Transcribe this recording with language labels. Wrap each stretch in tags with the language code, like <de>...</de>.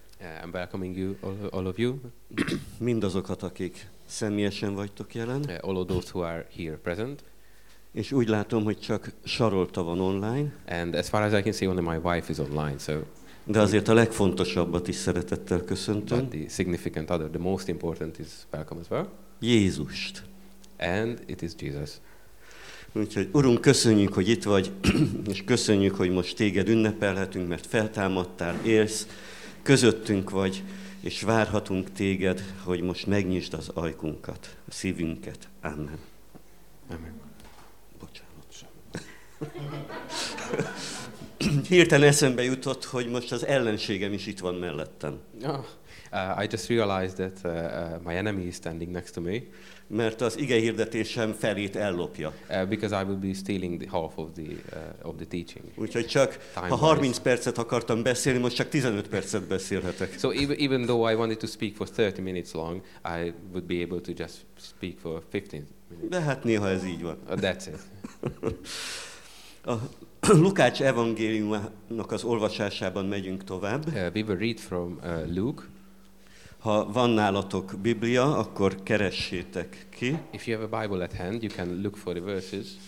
<en>I'm welcoming you, all of you.</en> <hu>Mindazokat, akik személyesen vagytok jelen.</hu> <en>All of those who are here present.</en> <hu>És úgy látom, hogy csak Sarolta van online.</hu> <en>And as far as I can see, only my wife is online, so.</en> <hu>De azért a legfontosabbat is szeretettel köszöntöm.</hu> <en>But the significant other, the most important is welcome as well.</en> <hu>Jézust.</hu> <en>And it is Jesus.</en> <hu>Úgyhogy, Urunk, köszönjük, hogy itt vagy, és köszönjük, hogy most téged ünnepelhetünk, mert feltámadtál, élsz, közöttünk vagy, és várhatunk téged, hogy most megnyisd az ajkunkat, a szívünket. Amen. Amen. hirtelen eszembe jutott, hogy most az ellenségem is itt van mellettem.</hu> <en>Oh, I just realized that my enemy is standing next to me.</en> <hu>Mert az ige hirdetésem felét ellopja.</hu> <en>Because I will be stealing the half of the teaching.</en> <hu>Úgyhogy csak</hu> <en>time-wise.</en> <hu>Ha 30 percet akartam beszélni, most csak 15 percet beszélhetek.</hu> <en>So even though I wanted to speak for 30 minutes long, I would be able to just speak for 15 minutes.</en> <hu>De hát néha ez így van.</hu> <en>That's it.</en> <hu>A Lukács evangéliumnak az olvasásában megyünk tovább.</hu> <en>We will read from Luke.</en> <hu>Ha van nálatok Biblia, akkor keressétek ki.</hu> <en>If you have a Bible at hand, you can look for the verses.</en>